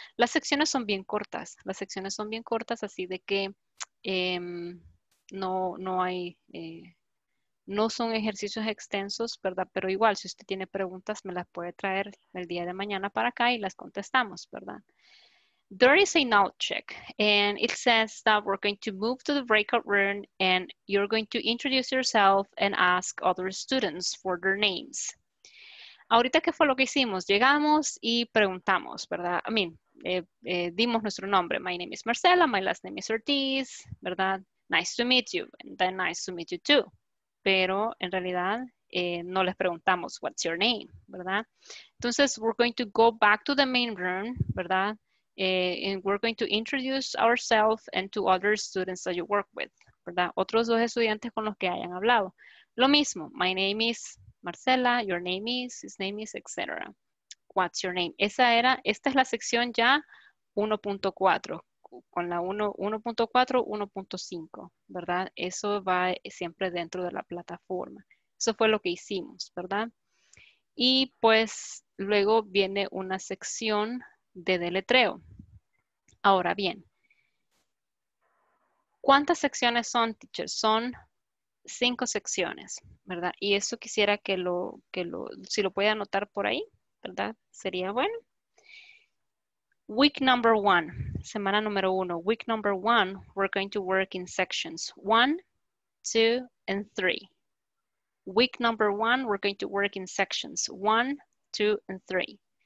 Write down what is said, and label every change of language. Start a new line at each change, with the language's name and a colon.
Spanish: Las secciones son bien cortas. Las secciones son bien cortas, así de que no son ejercicios extensos, ¿verdad? Pero igual, si usted tiene preguntas, me las puede traer el día de mañana para acá y las contestamos, ¿verdad?
English: There is a knowledge check, and it says that we're going to move to the breakout room, and you're going to introduce yourself and ask other students for their names.
Spanish: Ahorita, ¿qué fue lo que hicimos? Llegamos y preguntamos, ¿verdad?
English: I mean,
Spanish: dimos nuestro nombre.
English: My name is Marcela, my last name is Ortiz, ¿verdad? Nice to meet you, and then nice to meet you too.
Spanish: Pero en realidad no les preguntamos,
English: what's your name, ¿verdad? Entonces, we're going to go back to the main room, ¿verdad? And we're going to introduce ourselves and to other students that you work with, ¿verdad?
Spanish: Otros dos estudiantes con los que hayan hablado. Lo mismo,
English: my name is Marcela, your name is, his name is, etc. What's your name?
Spanish: Esta es la sección ya 1.4. Con la 1.4, 1.5, ¿verdad? Eso va siempre dentro de la plataforma. Eso fue lo que hicimos, ¿verdad? Y pues luego viene una sección de deletreo. Ahora bien, ¿cuántas secciones son, teacher? Son 5 secciones, ¿verdad? Y eso quisiera que si lo puede anotar por ahí, ¿verdad? Sería bueno.
English: Week number one,
Spanish: semana número uno.
English: Week number one, we're going to work in sections 1, 2, and 3. Week number one, we're going to work in sections 1, 2, and 3.